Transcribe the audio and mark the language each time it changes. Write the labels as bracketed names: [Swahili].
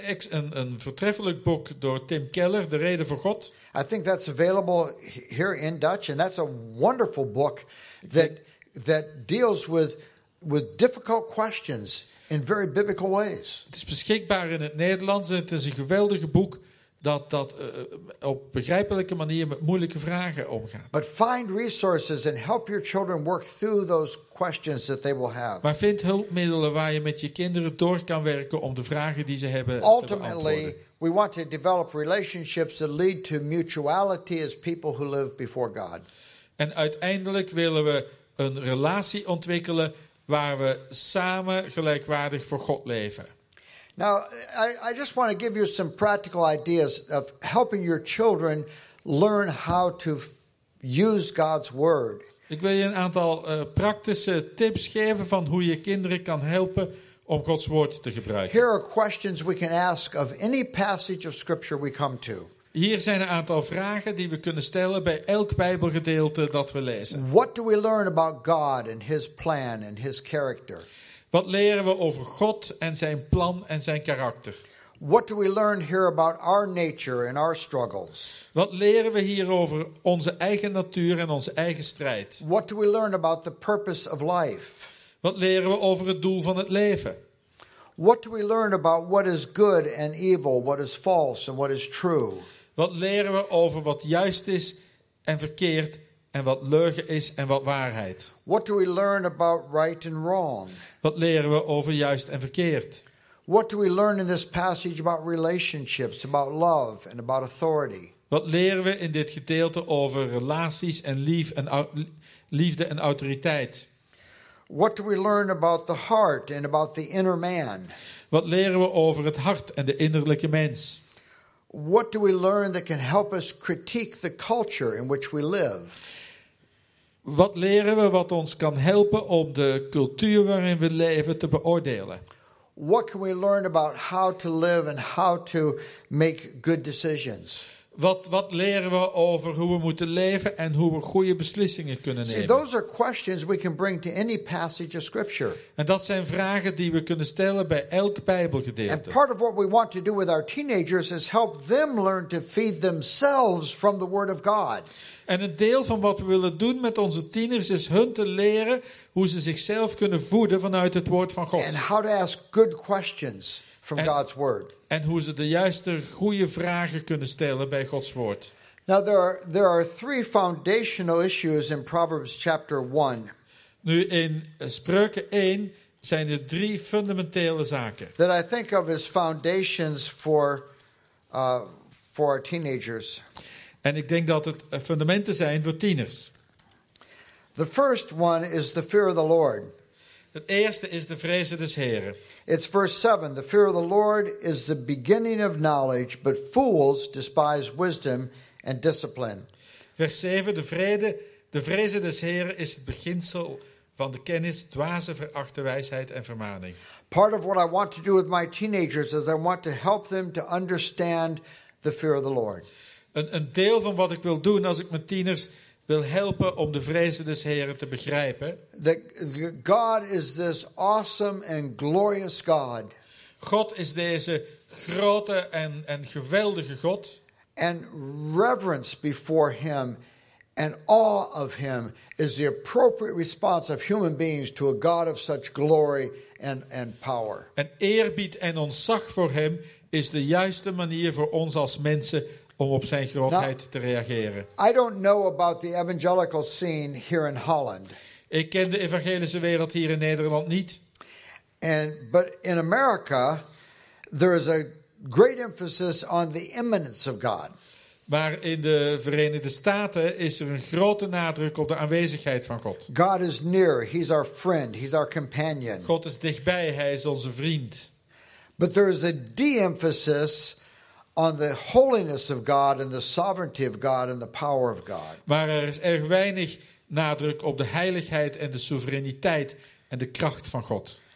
[Dutch] Een voortreffelijk boek door Tim Keller, De Reden voor God. [English] I think that's available here in Dutch, and that's a wonderful book that deals with difficult questions in very biblical ways. [Dutch] Het is beschikbaar in het Nederlands en het is een geweldige boek dat op begrijpelijke manier met moeilijke vragen omgaat. [English] But find resources and help your children work through those questions that they will have. [Dutch] Maar vind hulpmiddelen waar je met je kinderen door kan werken om de vragen die ze hebben [English] ultimately, [Dutch] te beantwoorden. [English] We want to develop relationships that lead to mutuality as people who live before God. [Dutch] En uiteindelijk willen we een relatie ontwikkelen waar we samen gelijkwaardig voor God leven. [English] Now, I just want to give you some practical ideas of helping your children learn how to use God's word. [Dutch] Ik wil je een aantal praktische tips geven van hoe je kinderen kan helpen om Gods woord te gebruiken. [English] Here are questions we can ask of any passage of scripture we come to. [Dutch] Hier zijn een aantal vragen die we kunnen stellen bij elk Bijbelgedeelte dat we lezen. [English] What do we learn about God and his plan and his character? [Dutch] Wat leren we over God en zijn plan en zijn karakter? [English] What do we learn here about our nature and our struggles? [Dutch] Wat leren we hier over onze eigen natuur en onze eigen strijd? [English] What do we learn about the purpose of life? [Dutch] Wat leren we over het doel van het leven? [English] What do we learn about what is good and evil, what is false and what is true? [Dutch] Wat leren we over wat juist is en verkeerd? En wat leugen is en wat waarheid. [English] What do we learn about right and wrong? [Dutch] Wat leren we over juist en verkeerd? [English] What do we learn in this passage about relationships, about love and about authority? [Dutch] Wat leren we in dit gedeelte over relaties en liefde en autoriteit? [English] What do we learn about the heart and about the inner man? [Dutch] Wat leren we over het hart en de innerlijke mens? [English] What do we learn that can help us critique the culture in which we live? [Dutch] Wat leren we wat ons kan helpen om de cultuur waarin we leven te beoordelen? [English] What can we learn about how to live and how to make good decisions? [Dutch] Wat leren we over hoe we moeten leven en hoe we goede beslissingen kunnen nemen? [English] See, those are questions we can bring to any passage of scripture. [Dutch] En dat zijn vragen die we kunnen stellen bij elk Bijbelgedeelte. [English] And part of what we want to do with our teenagers is help them learn to feed themselves from the Word of God. [Dutch] En een deel van wat we willen doen met onze tieners is hun te leren hoe ze zichzelf kunnen voeden vanuit het woord van God. [English] And how to ask good questions from God's word. [Dutch] En hoe ze de juiste goede vragen kunnen stellen bij Gods woord. [English] Now there are three foundational issues in Proverbs chapter 1. [Dutch] Nu in Spreuken 1 zijn er drie fundamentele zaken. [English] That I think of as foundations for our teenagers. [Dutch] En ik denk dat het fundamenten zijn voor tieners. [English] The first one is the fear of the Lord. [Dutch] Het eerste is de vrezen des Heren. [English] It's verse 7. The fear of the Lord is the beginning of knowledge, but fools despise wisdom and discipline. [Dutch] Vers 7. De vrezen des Heren is het beginsel van de kennis, dwazen verachten wijsheid en vermaning. [English] Part of what I want to do with my teenagers is I want to help them to understand the fear of the Lord. [Dutch] Een deel van wat ik wil doen als ik mijn tieners wil helpen om de vrezen des Heren te begrijpen. [English] That God is this awesome and glorious God. [Dutch] God is deze grote en geweldige God. [English] And reverence before him and awe of him is the appropriate response of human beings to a God of such glory and power. [Dutch] En eerbied en ontzag voor hem is de juiste manier voor ons als mensen om op zijn grootheid te reageren. [English] I don't know about the evangelical scene here in Holland. [Dutch] Ik ken de evangelische wereld hier in Nederland niet. [English] But in America there is a great emphasis on the immanence of God. [Dutch] Maar in de Verenigde Staten is er een grote nadruk op de aanwezigheid van God. [English] God is near, he's our friend, he's our companion. [Dutch] God is dichtbij, hij is onze vriend. [English] But there is a de-emphasis on the holiness of God and the sovereignty of God and the power of God. [Dutch] Maar er is erg weinig nadruk op de heiligheid en de soevereiniteit en de kracht van God.